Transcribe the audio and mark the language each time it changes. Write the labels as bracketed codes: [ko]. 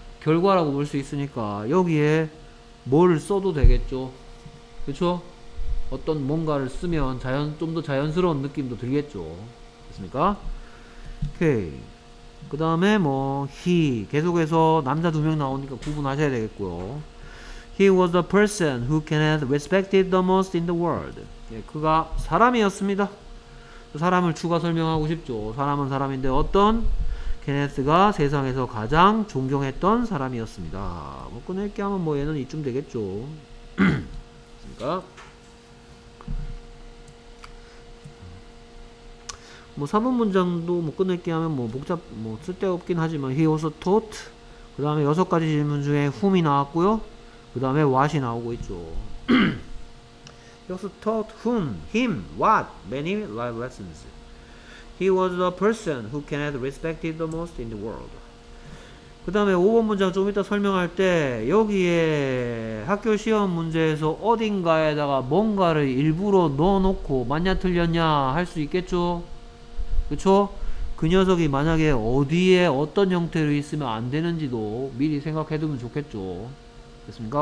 [ko] 결과라고 볼 수 있으니까 여기에 뭘 써도 되겠죠. 그렇죠? 어떤 뭔가를 쓰면 좀 더 자연스러운 느낌도 들겠죠. 됐습니까? 오케이. 그 다음에 뭐 he 계속해서 남자 두 명 나오니까 구분하셔야 되겠고요. [en] He was the person who Kenneth respected the most in the world. [ko] 예, 그가 사람이었습니다. 사람을 추가 설명하고 싶죠. 사람은 사람인데 어떤? Kenneth가 세상에서 가장 존경했던 사람이었습니다. 뭐 끊을게 하면 뭐 얘는 이쯤 되겠죠. 그러니까 뭐 3번 문장도 뭐 끊을게 하면 뭐 복잡 뭐 쓸데없긴 하지만 [en] He also taught. [ko] 그 다음에 여섯 가지 질문 중에 whom이 나왔고요. 그 다음에 what이 나오고 있죠. 여기서 [en] taught whom, him, what, many life lessons. He was the person who Kenneth respected the most in the world. [ko] 그 다음에 5번 문장 좀 이따 설명할 때 여기에 학교 시험 문제에서 어딘가에다가 뭔가를 일부러 넣어놓고 맞냐 틀렸냐 할 수 있겠죠? 그쵸? 그 녀석이 만약에 어디에 어떤 형태로 있으면 안 되는지도 미리 생각해두면 좋겠죠. 됐습니까?